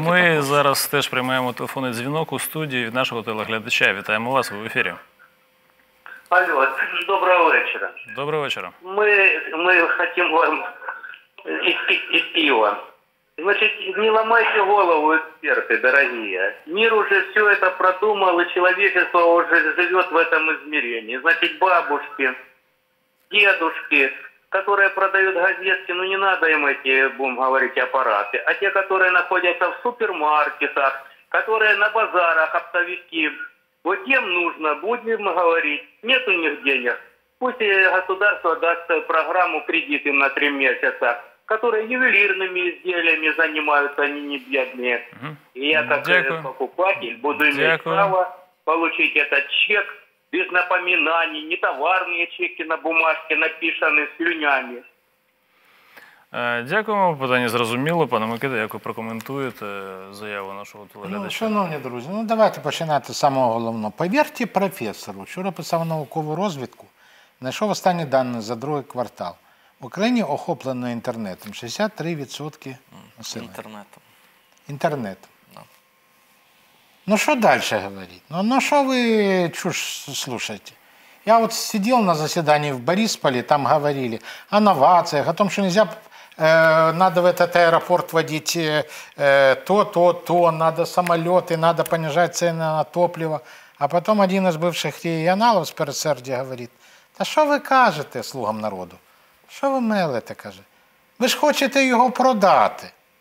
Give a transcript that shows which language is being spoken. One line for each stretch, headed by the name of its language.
Ukrainian: Ми зараз теж приймаємо телефонний дзвінок у студії від нашого телеглядача. Вітаємо вас, ви в ефірі. Алло, доброго вечора. Доброго вечора. Ми хочемо вам із пива. Значить, не ламайте голову, експерти, дорогі.
Russian: Мир уже все это продумал, и человечество уже живет в этом измерении. Значить, бабушки, дедушки, которые продают газетки, ну не надо им эти, будем говорить, аппараты. А те, которые находятся в супермаркетах, которые на базарах, оптовики, вот им нужно, будем говорить, нет у них денег. Пусть государство даст программу кредит им на 3 месяца, которые ювелирными изделиями занимаются, они не бедные. И я, как покупатель, буду иметь право получить этот чек, без напоминаний, не товарные чеки на бумажке, написанные слюнями.
Ukrainian: Дякуємо, питання зрозуміло. Пане Микита, як ви прокоментуєте заяву нашого телеглядача? Ну, шановні друзі, ну давайте починати з самого головного. Повірте професору, вчора писав наукову розвідку, знайшов останні дані за другий квартал. В Україні охоплено інтернетом 63% населення. Інтернетом. Інтернетом. Да. Ну, що далі говорити? Ну, ну що ви чуш слушаєте? Я от сидів на засіданні в Борисполі, там говорили о новаціях, о тому, що не можна...
Russian: Надо в этот аэропорт водить то-то-то, надо самолеты, надо понижать цены на топливо. А потом один из бывших регионалов с Пересердя говорит, «Та что вы кажете слугам народу? Что вы мелете?» каже? «Вы ж хотите его продать».